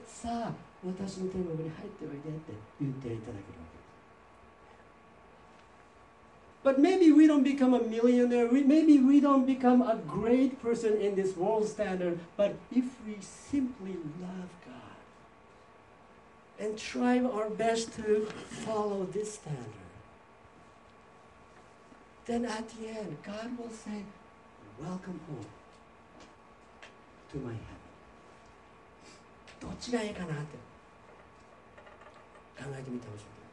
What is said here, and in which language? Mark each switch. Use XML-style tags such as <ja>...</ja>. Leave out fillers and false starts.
<ja>さあ、私の天国に入っておいでって言っていただけるわけです。</ja> <en>But maybe we don't become a millionaire. Maybe we don't become a great person in this world standard. But if we simply love God and try our best to follow this standard, then at the end, God will say, "Welcome home to my heaven."</en> <ja>どっちがいいかなって考えてみてほしい。</ja>